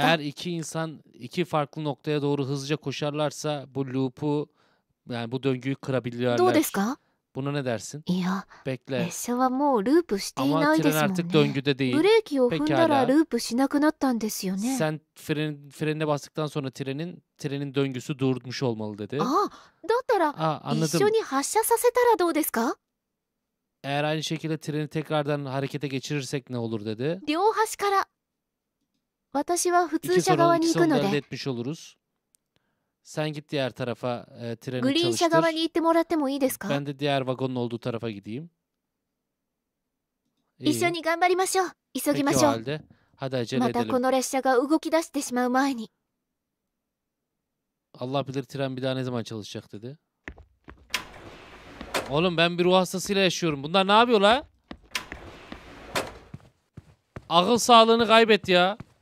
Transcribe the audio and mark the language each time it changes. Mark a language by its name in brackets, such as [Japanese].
[Turkish] Eğer iki insan iki farklı noktaya doğru hızlıca koşarlarsa bu loop'u yani bu döngüyü kırabilirler. [Japanese] どうですか? [Turkish] Buna ne dersin? [Japanese] いや, [Turkish] bekle. [Japanese] 列車はもうループしていないですもんね. [Turkish] Ama tren artık döngüde değil. [Japanese] ブレーキを踏んだらループしなくなったんですよね. [Turkish] Sen frenine bastıktan sonra trenin döngüsü durmuş olmalı dedi. [Japanese] だったら一緒に発車させたらどうですか? [Turkish] Eğer aynı şekilde treni tekrardan harekete geçirirsek ne olur dedi. [Japanese] 両端から私は普通車側に行くので。 [Turkish] İki sorunu etmiş oluruz. Sen git diğer tarafa treni [Japanese] グリーン車側に行ってもらってもいいですか? [Turkish] Ben de diğer vagonun olduğu tarafa gideyim. [Japanese] 一緒に頑張りましょう。急ぎましょう。 [Turkish] Peki o halde. Hadi acele edelim. [Japanese] またこの列車が動き出してしまう前に。 [Turkish] Allah bilir tren bir daha ne zaman çalışacak dedi. Oğlum ben bir ruh hastasıyla yaşıyorum. Bunlar ne yapıyor la? Akıl sağlığını kaybet ya.